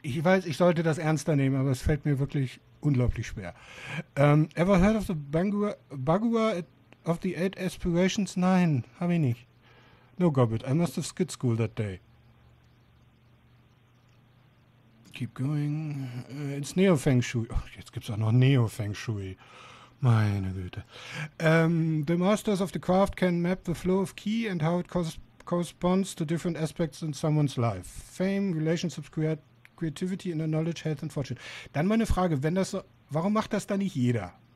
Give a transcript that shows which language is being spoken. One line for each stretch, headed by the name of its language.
German: Ich weiß, ich sollte das ernster nehmen, aber es fällt mir wirklich unglaublich schwer.
English: Ever heard of the Bagua of the Eight Aspirations?
German: Nein, habe ich nicht.
English: No, Gobbet, I must have skipped school that day. Keep going. It's Neo-Feng Shui.
German: Oh, jetzt gibt's auch noch Neo-Feng Shui. Meine Güte.
English: The masters of the craft can map the flow of ki and how it corresponds to different aspects in someone's life. Fame, relationships, creativity, inner knowledge, health and fortune.
German: Dann meine Frage, wenn das so, warum macht das dann nicht jeder?